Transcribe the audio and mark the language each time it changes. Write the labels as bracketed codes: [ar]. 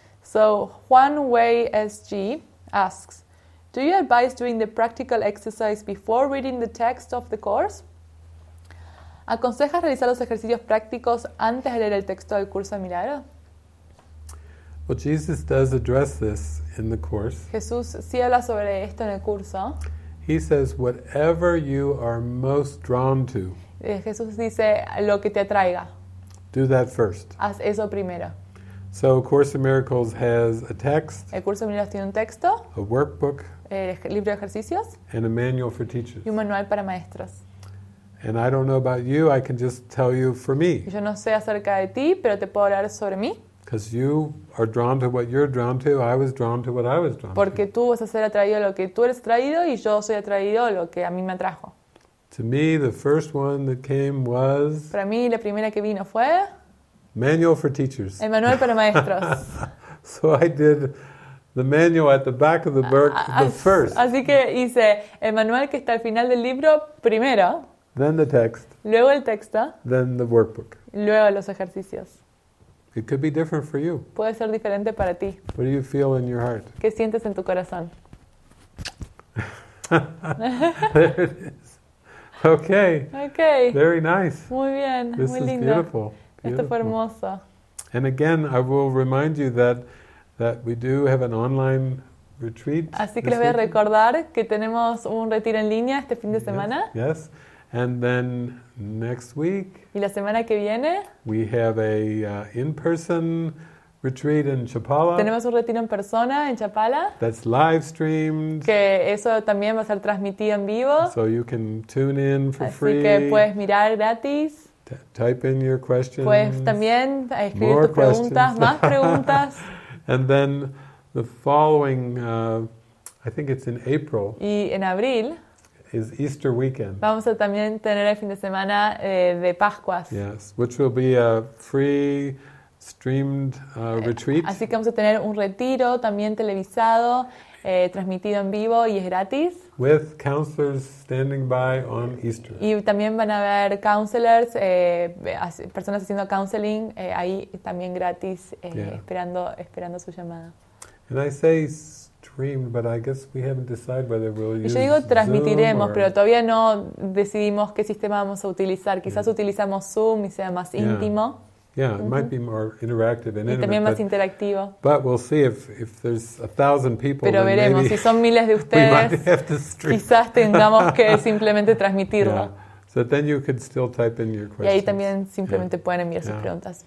[en] So Juan Wei SG asks, do you advise doing the practical exercise before reading the text of the course? [es] ¿Aconsejas realizar los ejercicios prácticos antes de leer el texto del curso de milagro? [en] Well, Jesus does address this in the course. [es] Jesús sí habla sobre esto en el curso. [en] He says, whatever you are most drawn to, [es] Jesús dice lo que te atraiga. [en] Do that first. [es] Haz eso primero. [en] So, Course in Miracles has a text. [es] El curso de milagros tiene un texto. [en] A workbook. [es] El libro de ejercicios. [en] And a manual for teachers. [es] Y un manual para maestros. [en] And I don't know about you. I can just tell you for me. [es] Yo no sé acerca de ti, pero te puedo hablar sobre mí. [en] Because you are drawn to what you're drawn to. I was drawn to what I was drawn [es] Porque [en] to. [es] Porque tú vas a ser atraído a lo que tú eres atraído y yo soy atraído a lo que a mí me atrajo. [en] To me, the first one that came was [es] para mí, la primera que vino fue [en] manual for teachers. [es] El manual para maestros. [en] So I did the manual at the back of the book first. [es] Así que hice el manual que está al final del libro primero. [en] Then the text. [es] Luego el texto. [en] Then the workbook. [es] Luego los ejercicios. [en] It could be different for you. [es] Puede ser diferente para ti. [en] What do you feel in your heart? [es] ¿Qué sientes en tu corazón? [en] There it is. Okay. Okay. Very nice. [es] Muy bien. [en] This [es] muy [en] is [es] lindo. [en] Beautiful. [es] Esto fue hermoso. [en] And again, I will remind you that we do have an online retreat. [es] Así que les voy a recordar que tenemos un retiro en línea este fin de semana. [en] Yes. And then next week. [es] Y la semana que viene. [en] We have a in-person retreat in Chapala. [es] Tenemos un retiro en persona en Chapala. [en] That's live streamed. [es] Que eso también va a ser transmitido en vivo. [en] So you can tune in for [es] así [en] free. [es] Así que puedes mirar gratis. [en] Type in your questions. [es] Puedes también escribir more tus preguntas, más preguntas. [en] And then the following, I think it's in April. [es] Y en abril. [en] Is Easter weekend. [es] Vamos a también tener el fin de semana de Pascuas. [en] Yes, which will be a free streamed retreat. [es] Así que vamos a tener un retiro también televisado, transmitido en vivo y es gratis. [en] With counselors standing by on Easter. [es] Y también van a haber counselors, personas haciendo counseling ahí también gratis, esperando su llamada. [en] And I say streamed, but I guess we haven't decided whether we'll use. [es] Yo digo transmitiremos, [en] or... [es] pero todavía no decidimos qué sistema vamos a utilizar. Quizás utilizamos Zoom y sea más íntimo. [en] Yeah, it might be more interactive and intimate. [es] Y también más interactivo. [en] But we'll see if there's 1,000 people. [es] Pero veremos [en] maybe [es] si son miles de ustedes. [en] We might have to stream. [es] Quizás tengamos que simplemente transmitirlo. Yeah. [en] So then you could still type in your questions. [es] Y ahí también simplemente pueden enviar sus preguntas.